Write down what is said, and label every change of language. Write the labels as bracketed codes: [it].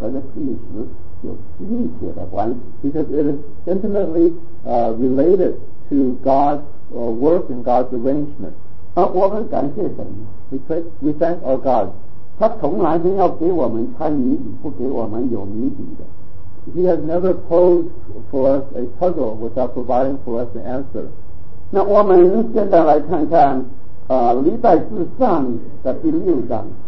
[zh] 因为这个跟神做工的法则和神的历史有密切的关系。 [en] Because it is intimately related to God's work and God's arrangement. [zh] 我们感谢神。 [en] We thank our God. [zh] 他从来没有给我们猜谜底，不给我们有谜底的。 [en] He has never posed for us a puzzle without providing for us an answer. [zh] 那我们现在来看看 历代志上的第六章。